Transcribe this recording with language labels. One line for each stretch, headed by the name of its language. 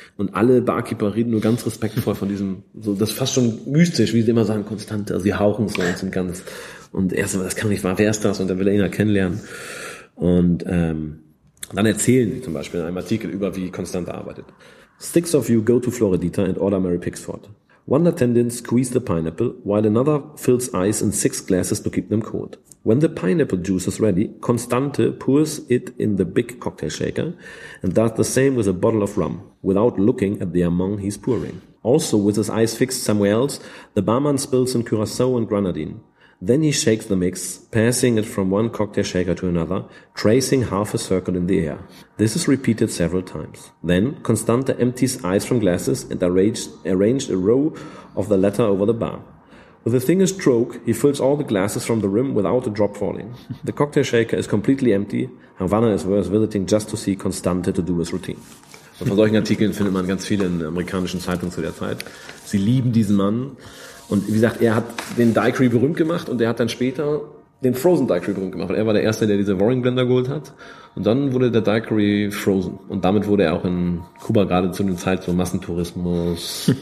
German: Und alle Barkeeper reden nur ganz respektvoll von diesem, so, das ist fast schon mystisch, wie sie immer sagen, Constante, also sie hauchen so und sind ganz, und er sagt, das kann nicht wahr, wer ist das? Und dann will er ihn ja kennenlernen. Und, dann erzählen sie zum Beispiel in einem Artikel über, wie Constante arbeitet.
English: Six of you go to Floridita and order Mary Pickford. One attendant squeezes the pineapple, while another fills ice in six glasses to keep them cold. When the pineapple juice is ready, Constante pours it in the big cocktail shaker and does the same with a bottle of rum, without looking at the amount he's pouring. Also, with his eyes fixed somewhere else, the barman spills in Curacao and grenadine. Then he shakes the mix, passing it from one cocktail shaker to another, tracing half a circle in the air. This is repeated several times. Then, Constante empties ice from glasses and arranged a row of the latter over the bar. With a single stroke, he fills all the glasses from the rim without a drop falling. The cocktail shaker is completely empty. Havana is worth visiting just to see Constante to do his routine.
German: Und von solchen Artikeln findet man ganz viele in der amerikanischen Zeitung zu der Zeit. Sie lieben diesen Mann. Und wie gesagt, er hat den Daiquiri berühmt gemacht und er hat dann später den Frozen Daiquiri berühmt gemacht. Und er war der Erste, der diese Roaring Blender geholt hat. Und dann wurde der Daiquiri frozen. Und damit wurde er auch in Kuba gerade zu einer Zeit so Massentourismus.